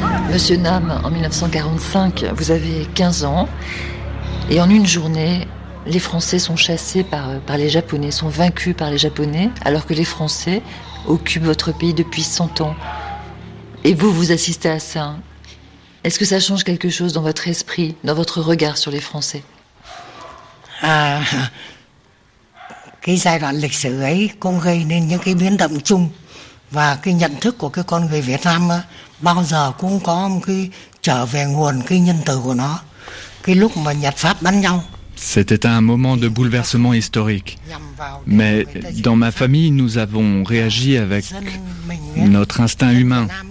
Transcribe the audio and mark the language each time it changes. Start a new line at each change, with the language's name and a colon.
French: Monsieur Nam, en 1945, vous avez 15 ans, et en une journée, les Français sont chassés par les Japonais, sont vaincus par les Japonais, alors que les Français occupent votre pays depuis 100 ans. Et vous, vous assistez à ça. Est-ce que ça change quelque chose dans votre esprit, dans votre regard sur les Français ?
Vietnamese: Cái giai đoạn lịch sử ấy cũng gây nên những cái biến động chung và cái nhận thức của cái con người Việt Nam bao giờ cũng có một cái trở về nguồn cái nhân từ của nó. Cái lúc mà Nhật Pháp bắn nhau.
French: C'était un moment de bouleversement historique. Mais dans ma famille, nous avons réagi avec notre instinct humain.